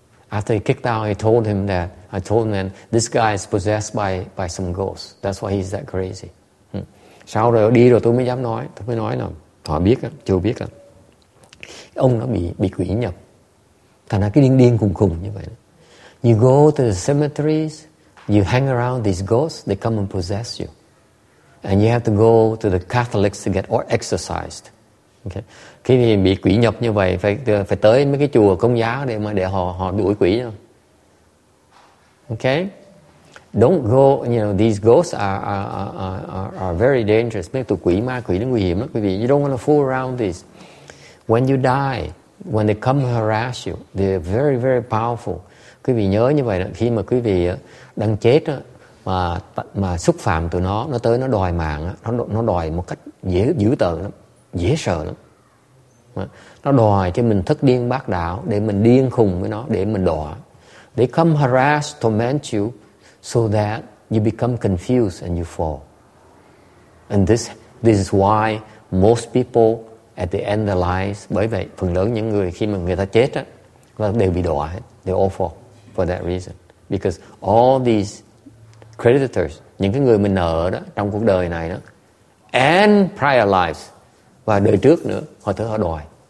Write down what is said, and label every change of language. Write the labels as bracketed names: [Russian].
[English] After he kicked out, I told him that this guy is possessed by some ghost. That's why he's that crazy. [Vietnamese] Sau rồi đi rồi tôi mới nói là họ biết á, chưa biết á, ông nó bị quỷ nhập, thành ra cái điên khùng như vậy. [English] You go to the cemeteries, you hang around these ghosts, they come and possess you, and you have to go to the Catholics to get exorcised. [Vietnamese] Okay, khi thì bị quỷ nhập như vậy phải tới mấy cái chùa công giáo để họ đuổi quỷ nhau. [English] Okay. Don't go, you know, these ghosts are very dangerous. [Vietnamese] Mấy tụi quỷ ma quỷ nó nguy hiểm lắm, quý vị. [English] You don't want to fool around this. When you die, when they come harass you, they're very, very powerful. [Vietnamese] Quý vị nhớ như vậy đó, khi mà quý vị đang chết mà xúc phạm tụi nó tới nó đòi mạng, nó đòi một cách dễ dữ tợn lắm, dễ sợ lắm. Nó đòi cho mình thất điên bác đạo, để mình điên khùng với nó, để mình đọa. [English] They come harass, torment you, so that you become confused and you fall. And this is why most people at the end of their lives, [Vietnamese] bởi vậy phần lớn những người khi mà người ta chết á, là đều bị đọa hết. [English] They all fall for that reason. Because all these creditors, [Vietnamese] những cái người mình nợ đó trong cuộc đời này đó, [English] and prior lives, [Vietnamese] và đời trước nữa, họ thử họ đòi.